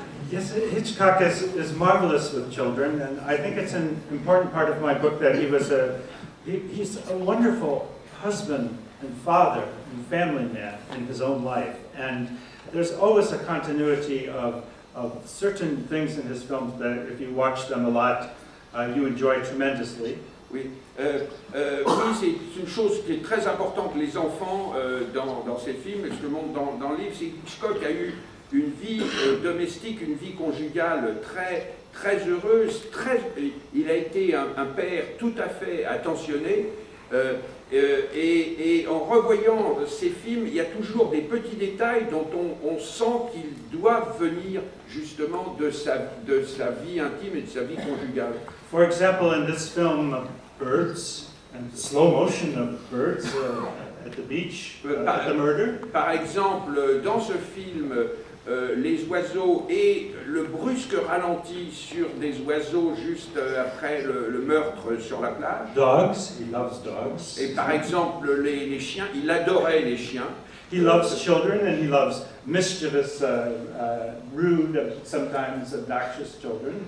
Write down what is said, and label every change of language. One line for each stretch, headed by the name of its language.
English: Yes, Hitchcock is marvelous with children, and I think it's an important part of my book that he's a wonderful husband and father and family man in his own life. And there's always a continuity of certain things in his films that if you watch them a lot, you enjoy tremendously.
French: Oui, c'est une chose qui est très importante, les enfants dans ces films, et ce que montre dans le livre, c'est que Hitchcock a eu une vie domestique, une vie conjugale très, très heureuse, très, il a été un père tout à fait attentionné, et en revoyant ces films, il y a toujours des petits détails dont on sent qu'ils doivent venir justement de sa vie intime et de sa vie conjugale.
English: For example, in this film, Birds, and the slow motion of birds at the beach, at the murder.
French: Par exemple, dans ce film, les oiseaux et le brusque ralenti sur des oiseaux juste après le meurtre sur la plage.
English: Dogs, he loves dogs.
French: Et par exemple, les chiens, il adorait les chiens.
English: He loves children and he loves mischievous, rude, sometimes obnoxious children.